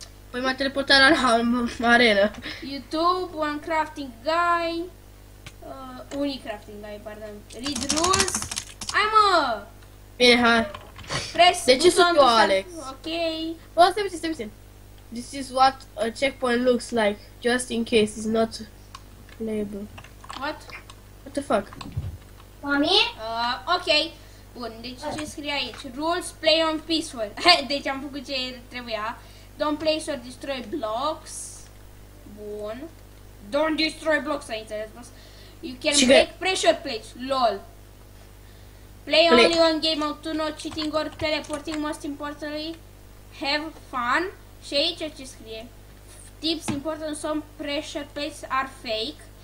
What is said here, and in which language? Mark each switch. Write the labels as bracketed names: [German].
[Romanian] Păi m-a teleportat la arena. YouTube, One Crafting Guy. Unicrafting, ai, pardon. [English] Read rules. [Romanian] Hai, mă! Bine, hai. [English] Press. [Romanian] De ce sunt eu, Alex? Ok. Bă, stai puțin, stai puțin. [English] This is what a checkpoint looks like, just in case it's not playable. What? What the fuck? [Romanian] Mami? Ok. Bun, deci ce scrie aici? [English] Rules, play on peaceful. [Romanian] Deci am făcut ce trebuia. [English] Don't place or destroy blocks. [Romanian] Bun. [English] Don't destroy blocks, [Romanian] ai înțeles, boss. [English] You can break pressure plates, lol. Play only on game mode, to not cheating or teleporting, most importantly, have fun. [Romanian] Și aici ce scrie. [English] Tips important, some pressure plates are fake.